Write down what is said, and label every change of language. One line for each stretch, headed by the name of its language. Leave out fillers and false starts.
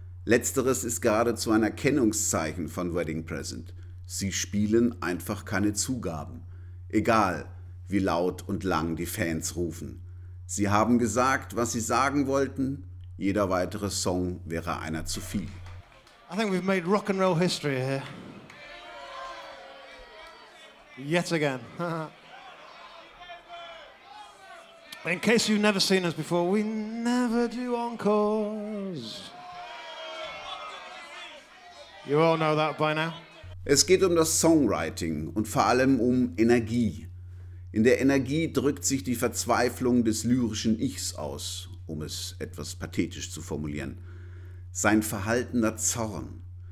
German: Letzteres ist geradezu ein Erkennungszeichen von Wedding Present. Sie spielen einfach keine Zugaben. Egal, wie laut und lang die Fans rufen. Sie haben gesagt, was sie sagen wollten. Jeder weitere Song wäre einer zu viel.
English: I think we've made rock and roll history here. Yet again. In case you've never seen us before, we never do encores. You all know that by now.
German: Es geht um das Songwriting und vor allem um Energie. In der Energie drückt sich die Verzweiflung des lyrischen Ichs aus. Um es etwas pathetisch zu formulieren. Sein verhaltener Zorn.